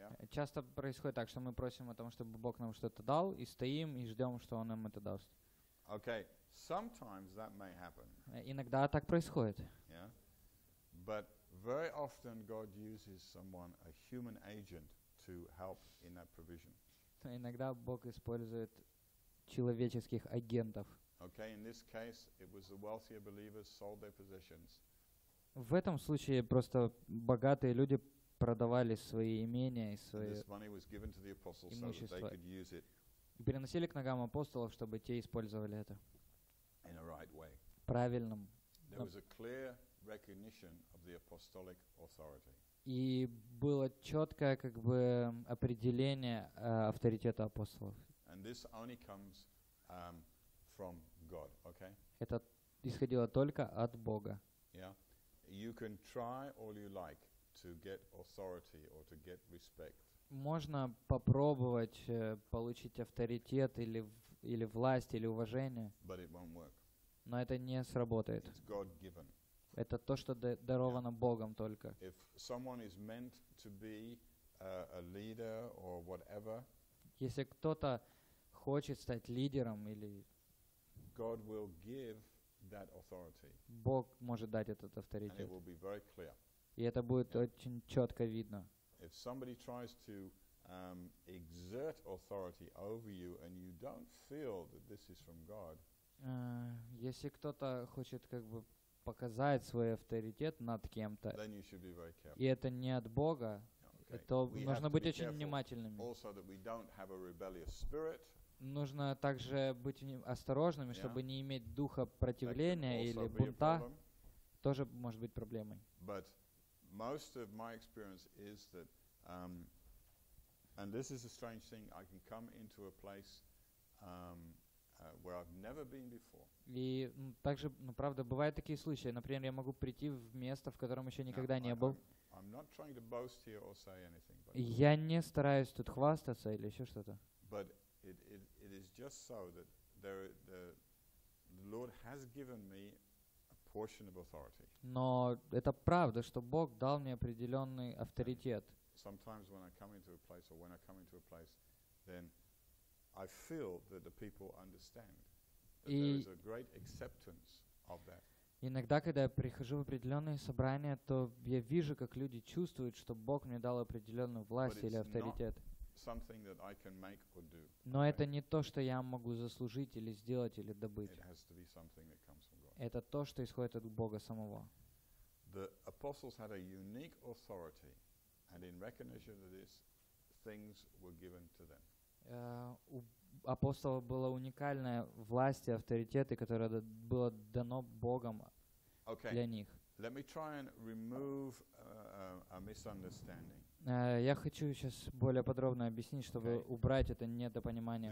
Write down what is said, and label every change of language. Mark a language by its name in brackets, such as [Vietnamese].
[Russian] Часто происходит так, что мы просим о том, чтобы Бог нам что-то дал, и стоим, и ждем, что Он нам это даст. [English] Okay, sometimes that may happen. [Russian] Иногда так происходит. [English] Yeah? But very often God uses someone, a human agent, to help in that provision. [Russian] Иногда Бог использует человеческих агентов. [English] Okay, in this case, it was the wealthier believers sold their possessions. [Russian] В этом случае просто богатые люди продавали свои имения и свои имущества. И переносили к ногам апостолов, чтобы те использовали это. [English] In a right way. [Russian] Правильным. [English] There was a clear recognition of the apostolic authority. [Russian] И было четкое как бы определение авторитета апостолов. [English] And this only comes, from God, okay? [Russian] Это исходило только от Бога. [English] Yeah? You can try all you like to get authority or to get respect. [Russian] Можно попробовать получить авторитет или власть, или уважение. [English] But it won't work. [Russian] Но это не сработает. [English] It's God-given. [Russian] Это то, что даровано yeah. Богом только. [English] If someone is meant to be a leader or whatever, [Russian] если кто-то хочет стать лидером или... [English] God will give that authority. [Russian] Бог может дать этот авторитет. [English] And it will be very clear. [Russian] И это будет yeah. очень четко видно. [English] If somebody tries to exert authority over you and you don't feel that this is from God, [Russian] если кто-то хочет как бы показать свой авторитет над кем-то, [English] then you should be very careful. [Russian] И это не от Бога, okay. то [English] we [Russian] нужно быть [English] be [Russian] очень внимательными. [English] Also that we don't have a rebellious spirit. [Russian] Нужно также быть осторожными, yeah. чтобы не иметь духа противления или бунта. Тоже может быть проблемой. [English] But most of my experience is that, and this is a strange thing, I can come into a place where I've never been before. [Russian] И также, ну правда, бывают такие случаи. Например, я могу прийти в место, в котором еще никогда не был. [English] I'm not trying to boast here or say anything. [Russian] Я не стараюсь тут хвастаться или еще что-то. [English] But it is just so that the Lord has given me portion of authority. [Russian] Но это правда, что Бог дал мне определенный авторитет. [English] Sometimes when I come into a place or when I come into a place, then I feel that the people understand. That there is a great acceptance of that. [Russian] Иногда, когда я прихожу в определенные собрания, то я вижу, как люди чувствуют, что Бог мне дал определенную власть или авторитет. [English] Something that I can make or do. [Russian] Но это не то, что я могу заслужить или сделать или добыть. [English] It has to be something that comes from God. [Russian] Это то, что исходит от Бога самого. [English] The apostles had a unique authority, and in recognition of this, things were given to them. [Russian] У апостола была уникальная власть и авторитет, которое было дано Богом [English] okay. [Russian] для них. [English] Let me try and remove a misunderstanding. [Russian] Я хочу сейчас более подробно объяснить, чтобы [English] okay. [Russian] убрать это недопонимание,